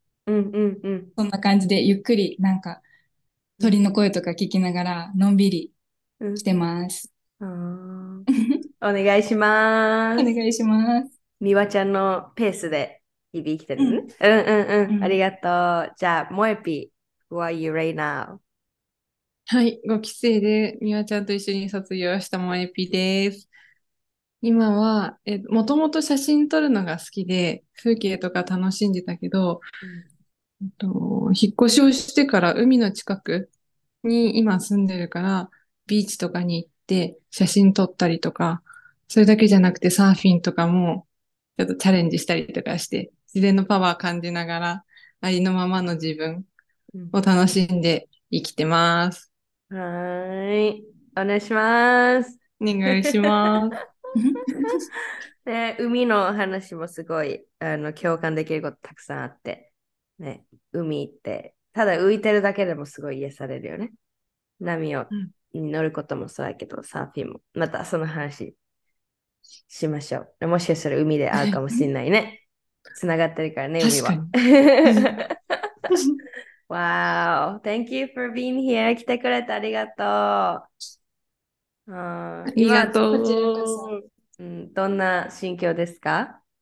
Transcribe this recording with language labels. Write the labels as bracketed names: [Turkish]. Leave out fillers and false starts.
[Japanese] そんな感じでゆっくりなんか鳥の声とか聞きながらのんびりしてます。お願いします。お願いします。みわちゃんのペースで日々生きてる、うん、うんうんうん、うん、ありがとう。 [English] じゃあモエピ Who are you right now? [Japanese] はい、5期生でミワちゃんと一緒に卒業したモエピです。今はもともと写真撮るのが好きで風景とか楽しんでたけど、うん、引っ越しをしてから海の近くに今住んでるからビーチとかに行って写真撮ったりとか、それだけじゃなくてサーフィンとかもちょっとチャレンジしたりとかして自然のパワー感じながらありのままの自分を楽しんで生きてます。はい、お願いします。お願いします。で、海の話もすごい共感できることたくさんあって、ね、海ってただ浮いてるだけでもすごい癒されるよね。波を、うん、に乗ることもそうだけど、サーフィンも。またその話しましょう。もしかしたら海で会うかもしれないね。つながってるからね、海は。 [English] わー、Thank you for being here. [Japanese] 来てくれてありがとう。ありがとう。うん、どんな心境ですか？